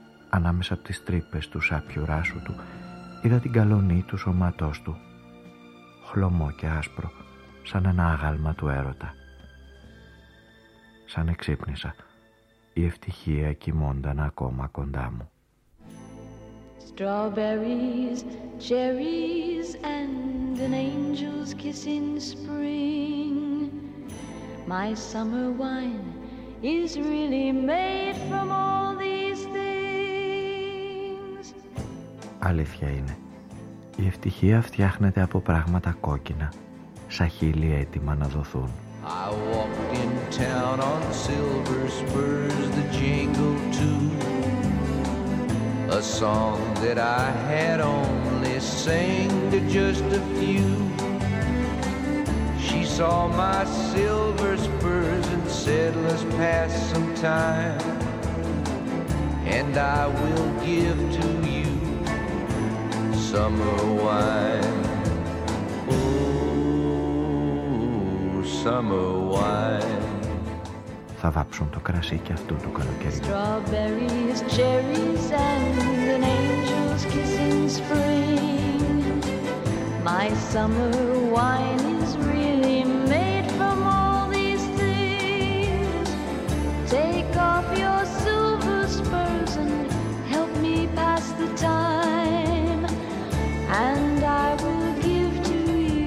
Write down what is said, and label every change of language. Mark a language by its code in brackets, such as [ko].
[el] Ανάμεσα από τις τρύπες του σάπιου ράσου του είδα την καλονή του σώματός του, χλωμό και άσπρο σαν ένα άγαλμα του έρωτα. Σαν εξύπνησα, η ευτυχία κοιμόνταν ακόμα κοντά μου. [en] Strawberries, cherries and an angel's kiss in spring. My summer wine is really made from all these things. [el] Αλήθεια είναι, η ευτυχία φτιάχνεται από πράγματα κόκκινα, σαν χείλη έτοιμα να δοθούν. [en] I walked in town on silver spurs, the jingle too. A song that I had only sang to just a few. She saw my silver spurs and said, let's pass some time, and I will give to you summer wine. Oh, summer wine. [el] Θα βάψουν το κρασί και αυτού του καλοκαιριού. [en] Strawberries, cherries and an angel's kiss in spring. My summer wine is really made from all these things. Take off your silver spurs and help me pass the time, and I will give to you